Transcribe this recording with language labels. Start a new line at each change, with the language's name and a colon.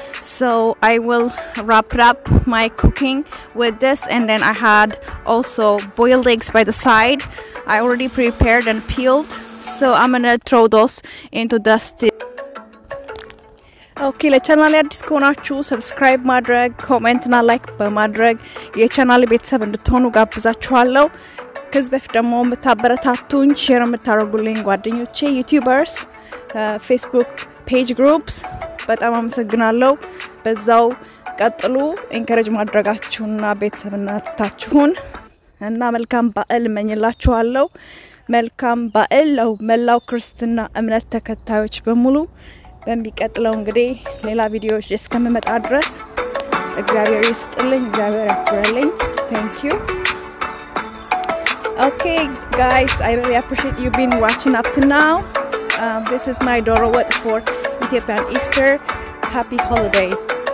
English: So I will wrap up my cooking with this, and then I had also boiled eggs by the side. I already prepared and peeled, so I'm gonna throw those into the stew.
Amharic: Okay, ለቻናሌ አዲስ ከሆናችሁ subscribe ማድረግ comment እና like በማድረግ የቻናሌ ቤተሰብ እንድትሆኑ ጋብዛችኋለሁ። ከዚህ በፊት ደግሞ መታበረታቱን ሼር መታረጉልኝ ጓደኞቼ YouTubers Facebook page groups በጣም አመሰግናለሁ። በዛው ቀጥሉ encourage ማድረጋችሁና ቤተሰብነታችሁን እና መልካም በዓል መኝላችኋለሁ። መልካም በዓል ለው መላው ክርስቲና እምነት ተከታዮች በሙሉ። በሚቀጥለው እንግዲህ ሌላ ቪዲዮዎች እስከምመጣ ድረስ እግዚአብሔር ይስጥልኝ እግዚአብሔር ያክብርልኝ
English: thank you. Okay guys, I really appreciate you been watching up to now. This is my Doro Wot for Ethiopian Easter. Happy holidays.